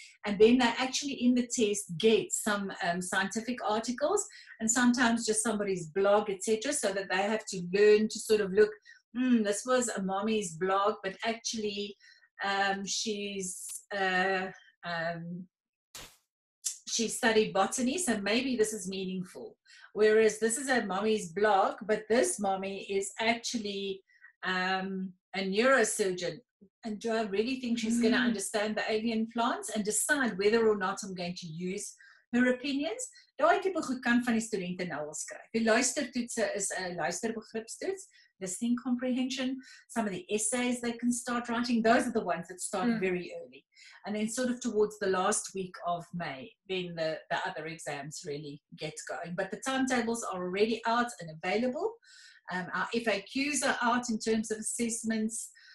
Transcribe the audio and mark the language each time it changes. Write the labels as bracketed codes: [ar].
[en] And then they actually in the test get some scientific articles and sometimes just somebody's blog, etc., so that they have to learn to sort of look, this was a mommy's blog, but actually she studied botany, so maybe this is meaningful. Whereas this is a mommy's blog, but this mommy is actually a neurosurgeon. And do I really think she's going to understand the alien plants and decide whether or not I'm going to use her opinions? [af] Daai tipe goed kan van die studente nou al skryf. Die luistertoetse is 'n luisterbegripstoets. [en] Listening comprehension, some of the essays they can start writing, those are the ones that start very early. And then sort of towards the last week of May, then the other exams really get going. But the timetables are already out and available. Our FAQs are out in terms of assessments.